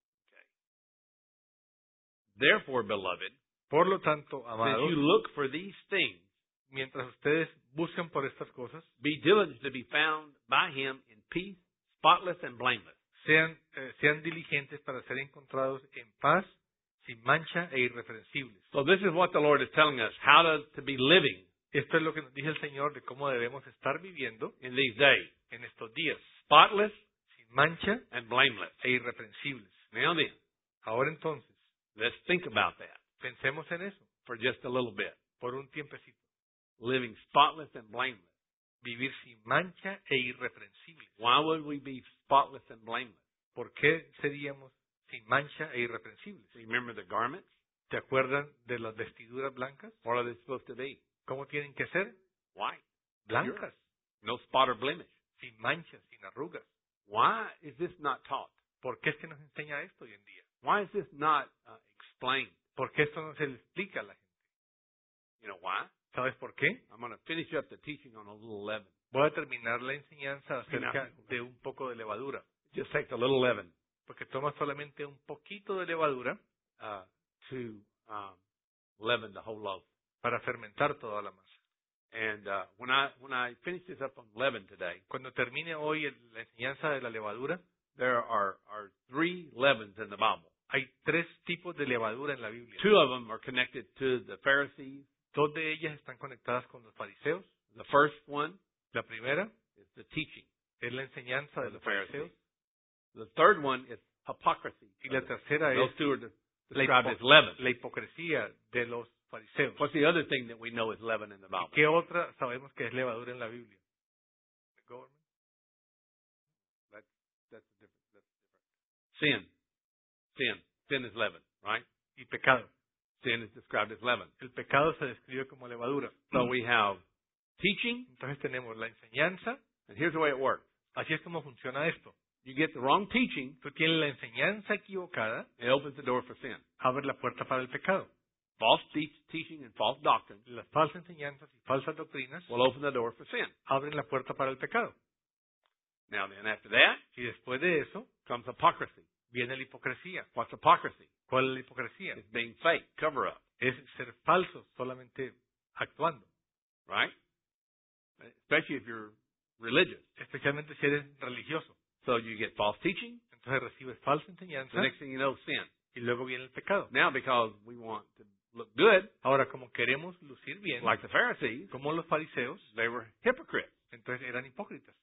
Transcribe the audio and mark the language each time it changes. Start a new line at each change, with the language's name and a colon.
English: Okay. Therefore, beloved,
Spanish: por lo tanto, amados,
English: since you look for these things,
Spanish: mientras ustedes buscan por estas cosas,
English: be diligent to be found by him in peace, spotless and blameless.
Spanish: Sean diligentes para ser encontrados en paz, sin mancha e irreprensibles.
English: So this is what the Lord is telling us, how to be living.
Spanish: Esto es lo que nos dice el Señor de cómo debemos estar viviendo
English: in these days,
Spanish: en estos días.
English: Spotless,
Spanish: sin mancha,
English: and blameless.
Spanish: E irreprensibles.
English: Now then,
Spanish: ahora entonces,
English: let's think about that.
Spanish: Pensemos en eso.
English: For just a little bit.
Spanish: Por un tiempecito.
English: Living spotless and blameless.
Spanish: Vivir sin mancha e irreprensibles.
English: Why would we be spotless and blameless?
Spanish: ¿Por qué seríamos sin mancha e irreprensibles?
English: Remember the garments?
Spanish: ¿Te acuerdan de las vestiduras blancas?
English: What are they supposed to be?
Spanish: ¿Cómo tienen que ser?
English: Why?
Spanish: Blancas.
English: Pure. No spot or blemish.
Spanish: Sin manchas, sin arrugas.
English: Why is this not taught?
Spanish: ¿Por qué es que nos enseña esto hoy en día?
English: Why is this not explained?
Spanish: ¿Por qué esto no se le explica a la gente?
English: You know why?
Spanish: ¿Sabes por qué?
English: I'm going to finish up the teaching on a little leaven.
Spanish: Voy a terminar la enseñanza acerca de un poco de levadura.
English: Just take a little leaven.
Spanish: Porque toma solamente un poquito de levadura
English: to leaven the whole loaf.
Spanish: Para fermentar toda la masa.
English: And when I finish this up on leaven today,
Spanish: cuando termine hoy la enseñanza de la levadura,
English: there are three leavens in the Bible.
Spanish: Hay tres tipos de levadura en la Biblia.
English: Two of them are connected to the Pharisees.
Spanish: Dos de ellas están conectadas con los fariseos.
English: The first one,
Spanish: la primera,
English: is the teaching.
Spanish: Es la enseñanza de los fariseos.
English: The third one is hypocrisy.
Spanish: Y la tercera es la hipocresía de los fariseos.
English: What's the other thing that we know is leaven in the Bible?
Spanish: ¿Qué otra sabemos que es levadura en la Biblia?
English: The government. That's different. Sin. Sin. Sin is leaven, right?
Spanish: Y pecado.
English: Sin is described as leaven.
Spanish: El pecado se describe como levadura.
English: So we have teaching.
Spanish: Entonces tenemos la enseñanza.
English: And here's the way it works.
Spanish: Así es como funciona esto.
English: You get the wrong teaching.
Spanish: Tú tienes la enseñanza equivocada.
English: It opens the door for sin.
Spanish: Abre la puerta para el pecado.
English: False teaching and false doctrines.
Spanish: Las falsas enseñanzas y falsas doctrinas
English: will open the door for sin.
Spanish: Abren la puerta para el pecado.
English: Now then, after that,
Spanish: y después de eso,
English: comes hypocrisy.
Spanish: Viene la hipocresía.
English: What's hypocrisy?
Spanish: ¿Cuál es la hipocresía?
English: It's being fake, cover up.
Spanish: Es ser falso, solamente actuando.
English: Right? Especially if you're religious.
Spanish: Especialmente si eres religioso.
English: So you get false teaching.
Spanish: Entonces recibes falsa enseñanza.
English: The next thing you know, sin.
Spanish: Y luego viene el pecado.
English: Now, because we want to look good,
Spanish: ahora como queremos lucir bien,
English: like the Pharisees,
Spanish: como los fariseos,
English: they were hypocrites.
Spanish: Entonces eran hipócritas.